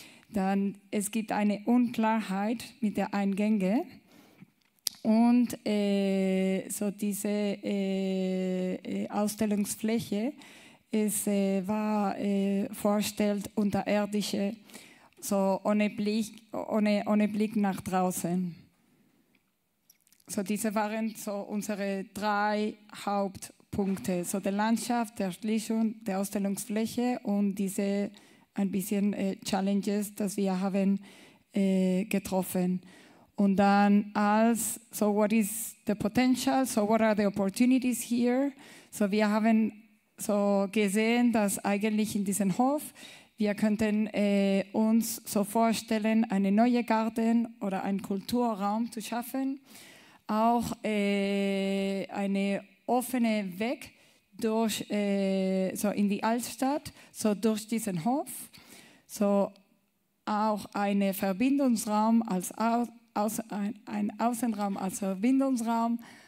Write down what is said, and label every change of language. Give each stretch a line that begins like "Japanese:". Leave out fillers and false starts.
German: Dann, es gibt eine Unklarheit mit der Eingänge und so diese Ausstellungsfläche, es war vorstellt unterirdische, so ohne Blick nach draußen. So, diese waren so unsere drei Hauptpunkte. So, die Landschaft, die Erschließung, die Ausstellungsfläche und diese ein bisschen Challenges, die wir haben getroffen. Und dann als,
English: so what is the potential, so what are the opportunities here?
German: So, wir haben so gesehen, dass eigentlich in diesem Hof wir könnten uns so vorstellen, einen neuen Garten oder einen Kulturraum zu schaffen, auch einen offenen Weg durch so in die Altstadt, so durch diesen Hof, so auch einen Verbindungsraum als ein Außenraum als Verbindungsraum.